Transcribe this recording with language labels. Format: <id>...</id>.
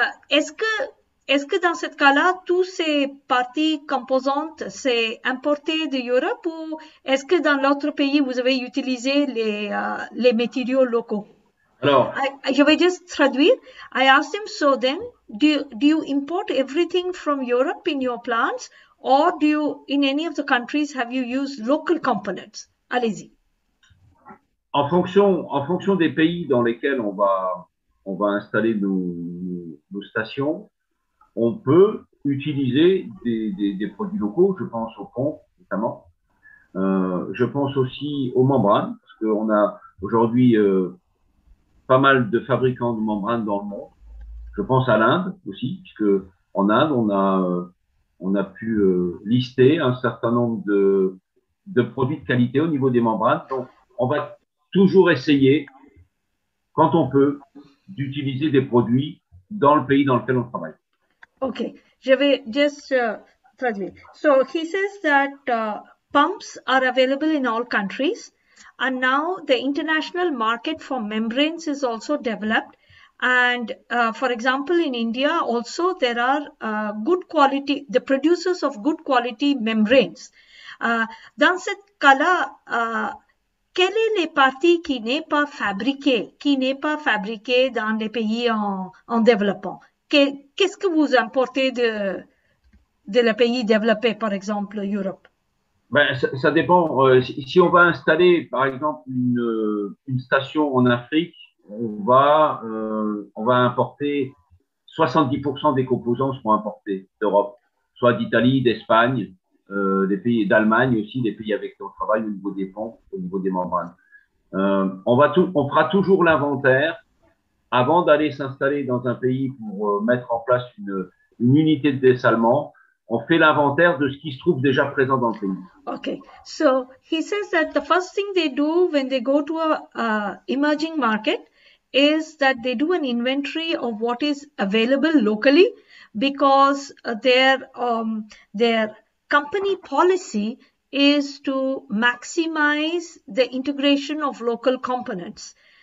<fr>Est-ce que dans ce cas-là, tous ces parties composantes, c'est importé de l'Europe ou est-ce que dans l'autre pays, vous avez utilisé les matériaux locaux? Alors, je vais juste traduire.</fr> <en>I asked him, so then, do you import everything from Europe in your plants or do you, in any of the countries, have you used local components?</en> <fr>Allez-y. En fonction des pays dans lesquels on va installer nos stations, on peut utiliser des produits locaux, je pense au fond notamment. Je pense aussi aux membranes, parce qu'on a aujourd'hui pas mal de fabricants de membranes dans le monde. Je pense à l'Inde aussi, puisque en Inde, on a pu lister un certain nombre de produits de qualité au niveau des membranes. Donc, on va toujours essayer, quand on peut, d'utiliser des produits dans le pays dans lequel on travaille. Okay, je vais just traduire.</fr> <en>So he says that pumps are available in all countries, and now the international market for membranes is also developed. And for example, in India also there are good quality, the producers of good quality membranes.</en> <fr>Dans cette cas-là, quelles sont les parties qui n'est pas fabriquée dans les pays en développement? Qu'est-ce que vous importez de les pays développés, par exemple, l'Europe? Ben, ça dépend. Si on va installer, par exemple, une station en Afrique, on va importer 70% des composants seront importés d'Europe, soit d'Italie, d'Espagne, des pays d'Allemagne aussi, des pays avec qui on travaille au niveau des ponts, au niveau des membranes. On fera toujours l'inventaire. Avant d'aller s'installer dans un pays pour mettre en place une unité de dessalement, on fait l'inventaire de ce qui se trouve déjà présent dans le pays.</fr> <en>Okay. So he says that the first thing they do when they go to a emerging market is that they do an inventory of what is available locally because their company policy is to maximize the integration of local components.</en>